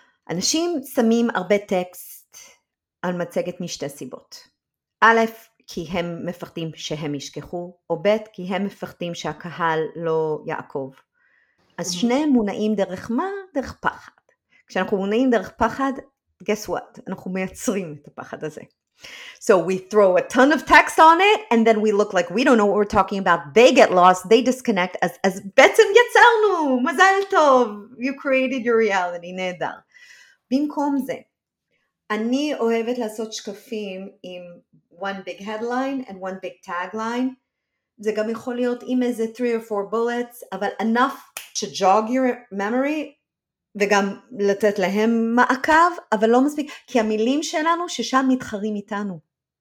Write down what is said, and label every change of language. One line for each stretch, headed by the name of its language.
Hebrew: אנשים שמים הרבה טקסט על מצגת משתי סיבות. א', כי הם מפחדים שהם ישכחו, או ב', כי הם מפחדים שהקהל לא יעקוב. אז שניהם מונעים דרך מה? דרך פחד. כשאנחנו מונעים דרך פחד,
English: guess what?
Hebrew: אנחנו מייצרים את הפחד הזה.
English: So we throw a ton of text on it, and then we look like we don't know what we're talking about. They get lost, they disconnect, as
Hebrew: בעצם יצרנו, מזל טוב,
English: you created your reality,
Hebrew: נהדר. במקום זה, אני אוהבת לעשות שקפים עם
English: one big headline and one big tagline.
Hebrew: זה גם יכול להיות עם איזה
English: 3 or 4 bullets,
Hebrew: אבל
English: enough to jog your memory,
Hebrew: וגם לתת להם מעקב, אבל לא מספיק, כי המילים שלנו ששם מתחרים איתנו.